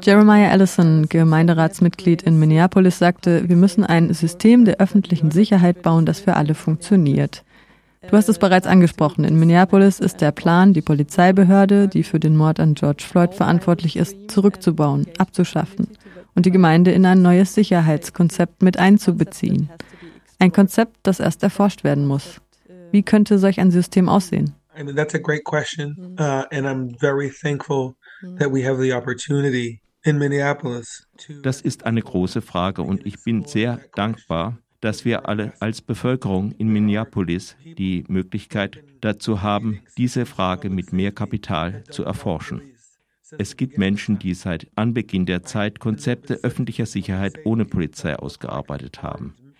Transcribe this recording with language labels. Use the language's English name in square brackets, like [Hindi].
[German] Jeremiah Allison, Gemeinderatsmitglied in Minneapolis, sagte, wir müssen ein System der öffentlichen Sicherheit bauen, das für alle funktioniert. Du hast es bereits angesprochen, in Minneapolis ist der Plan, die Polizeibehörde, die für den Mord an George Floyd verantwortlich ist, zurückzubauen, abzuschaffen und die Gemeinde in ein neues Sicherheitskonzept mit einzubeziehen. Ein Konzept, das erst erforscht werden muss. Wie könnte solch ein System aussehen? [English] That's a great question, and I'm very thankful that we have the opportunity in Minneapolis. [German] Das ist eine große Frage und ich bin sehr dankbar, dass wir alle als Bevölkerung in Minneapolis die Möglichkeit dazu haben, diese Frage mit mehr Kapital zu erforschen. Es gibt Menschen, die seit Anbeginn der Zeit Konzepte öffentlicher Sicherheit ohne Polizei ausgearbeitet haben.